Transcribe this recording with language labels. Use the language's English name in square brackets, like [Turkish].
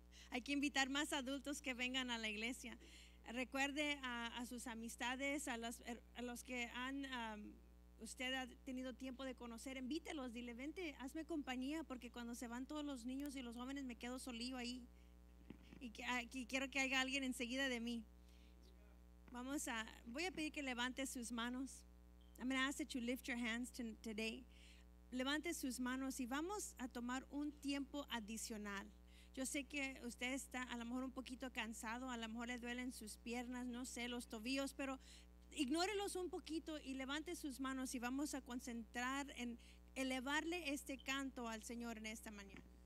[Spanish] Hay que invitar más adultos que vengan a la iglesia. Recuerde a sus amistades, a los que han usted ha tenido tiempo de conocer, invítelos, dile, vente, hazme compañía, porque cuando se van todos los niños y los jóvenes me quedo solío ahí y quiero que haya alguien enseguida de mí. Vamos a, voy a pedir que levante sus manos. [English] I'm going to ask that you lift your hands today. [Spanish] Levante sus manos y vamos a tomar un tiempo adicional. Yo sé que usted está a lo mejor un poquito cansado, a lo mejor le duelen sus piernas, no sé, los tobillos, pero ignórelos un poquito y levante sus manos y vamos a concentrar en elevarle este canto al Señor en esta mañana.